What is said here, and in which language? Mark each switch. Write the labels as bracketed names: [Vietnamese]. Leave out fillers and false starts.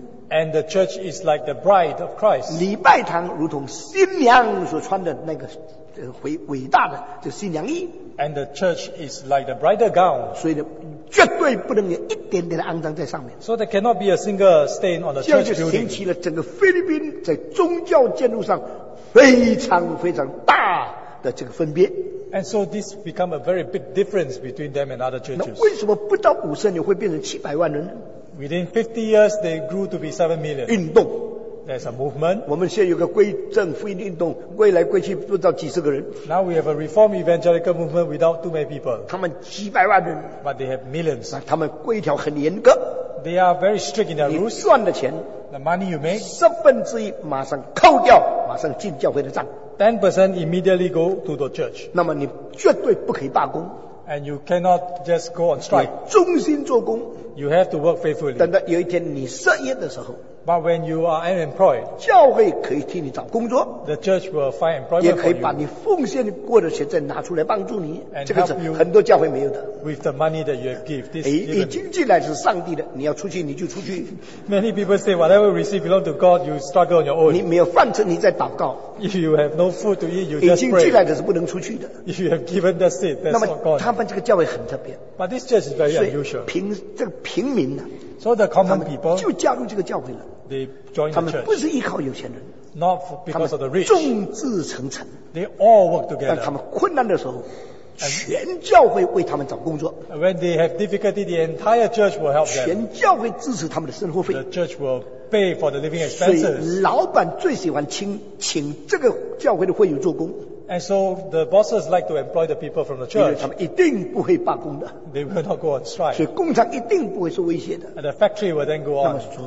[English] And the church is like the bride of Christ. [Chinese] 礼拜堂如同新娘所穿的那个伟大的新娘衣。 [English] And the church is like the bridal gown. [Chinese] 所以绝对不能有一点点的肮脏在上面。 [English] So there cannot be a single stain on the church building. [Chinese] 这就引起了整个菲律宾在宗教建筑上非常非常大的这个分别。 [English] And so this become a very big difference between them and other churches. [Chinese] 那为什么不到50年会变成700万人呢？ [English] Within 50 years, they grew to be 7 million. [Chinese] 运动。 [English] There's a movement. [Chinese] 我们现在有个归正福音运动，归来归去不到几十个人。 [English] Now we have a reform evangelical movement without too many people. [Chinese] 他们几百万人。 [English] But they have millions. [Chinese] 他们规条很严格。 [English] They are very strict in their rules. [Chinese] 你赚的钱, [English] the money you make, [Chinese] 1/10马上扣掉，马上进教会的账。 [English] 10% immediately go to the church. [Chinese] 那么你绝对不可以罢工。 [English] And you cannot just go on strike. [Chinese] 你忠心做工。 [English] You have to work faithfully. [Chinese] 等到有一天你失业的时候。 [English] But when you are unemployed, [Chinese] 教会可以替你找工作, [English] the church will find employment for you. [Chinese] 也可以把你奉献过的钱再拿出来帮助你, 这个是很多教会没有的。 [English] With the money that you have given, this [Chinese] 已经进来是上帝的, 你要出去你就出去。 [English] Many people say, whatever we receive belongs to God, you struggle on your own. [Chinese] 你没有饭吃你在祷告。 [English] If you have no food to eat, you just pray. [Chinese] 已经进来的是不能出去的。 [English] If you have given, that's it, that's not God. [Chinese] 他们这个教会很特别。 [English] But this church is very unusual. [Chinese] 这个平民呢, [English] So the common people, [Chinese] 他们就加入这个教会了, [English] they join the church. [Chinese] 他们不是依靠有钱人, [English] not because of the rich. [Chinese] 众志成城, [English] they all work together. [Chinese] 但他们困难的时候, 全教会为他们找工作, [English] when they have difficulty, the entire church will help them. [Chinese] 全教会支持他们的生活费, [English] the church will pay for the living expenses. [Chinese] 所以老板最喜欢请这个教会的会友做工。 [English] And so the bosses like to employ the people from the church. They will not go on strike. And the factory will then go on.